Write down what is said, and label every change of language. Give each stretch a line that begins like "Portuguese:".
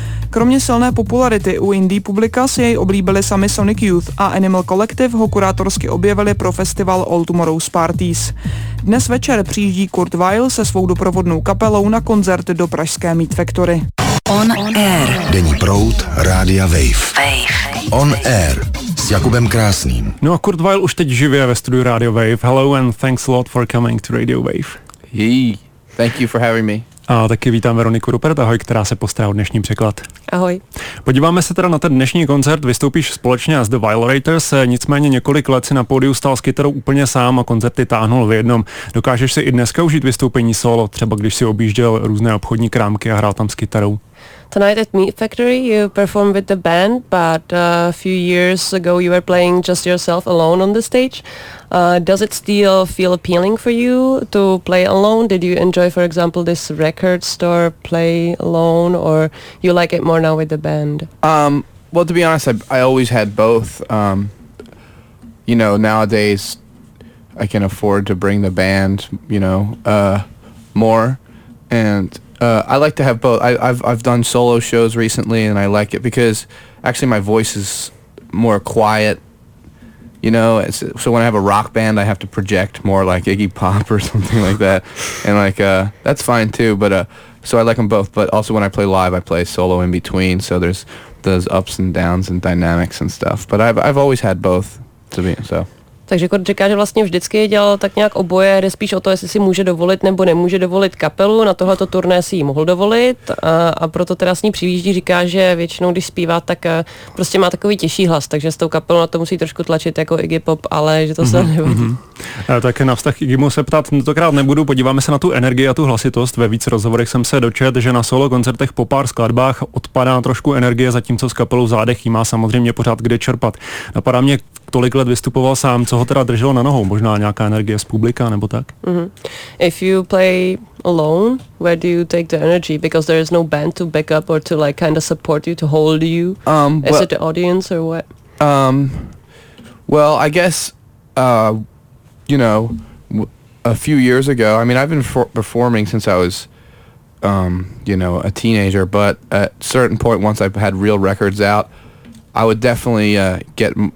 Czech: Kromě silné popularity u indie publika si jej oblíbili sami Sonic Youth a Animal Collective ho kurátorsky objevili pro festival All Tomorrow's Parties. Dnes večer přijíždí Kurt Weill se svou doprovodnou kapelou na koncert do pražské Meat Factory. On Air. Denní proud Rádia Wave. On Air s Jakubem Krásným. No a Kurt Weill už teď živě ve studiu Rádio Wave.
English: Hello and thanks a lot for coming to Radio Wave. Hey, thank you for having me.
Czech: A taky vítám Veroniku Rupert, ahoj, která se postará o dnešní překlad. Ahoj. Podíváme se teda na ten dnešní koncert, vystoupíš společně s The Violators, nicméně několik let si na pódiu stál s kytarou úplně sám a koncerty táhnul v jednom. Dokážeš si i dneska užít vystoupení solo, třeba když si objížděl různé obchodní krámky a hrál tam s kytarou?
English: Tonight at Meat Factory you performed with the band, but a few years ago you were playing just yourself alone on the stage. Does it still feel appealing for you to play alone? Did you enjoy, for example, this record store play alone, or you like it more now with the band? Well, to be honest, I always had both. You know, nowadays I can afford to bring the band, you know, more, and I like to have both. I've done solo shows recently, and I like it because actually my voice is more quiet, you know. So when I have a rock band, I have to project more like Iggy Pop or something like that, and like that's fine too. But so I like them both. But also when I play live, I play solo in between. So there's those ups and downs and dynamics and stuff. But I've always had both to be so.
Czech: Takže Kurt říká, že vlastně vždycky dělal tak nějak oboje, jde spíš o to, jestli si může dovolit nebo nemůže dovolit kapelu, na tohleto turné si ji mohl dovolit a proto teda s ní přivíždí, říká, že většinou, když zpívá, tak prostě má takový těžší hlas, takže s tou kapelou na to musí trošku tlačit jako Iggy Pop, ale že to se nevadí. Tak na vztah Iggymu se ptát tentokrát nebudu, podíváme se na tu energii a tu hlasitost. Ve více rozhovorech jsem se dočet, že na solo koncertech po pár skladbách odpadá trošku energie, zatímco s kapelou v zádech jí má samozřejmě pořád kde čerpat. Napadá mě, tolik let vystupoval sám, co ho teda drželo na nohou, možná nějaká energie z publika nebo tak?
English: If you play alone, where do you take the energy? Because there is no band to back up or to like kind of support you, to hold you. Is it the audience or what? Well, I guess, you know, a few years ago, I mean, I've been performing since I was, you know, a teenager, but at a certain point, once I've had real records out, I would definitely get...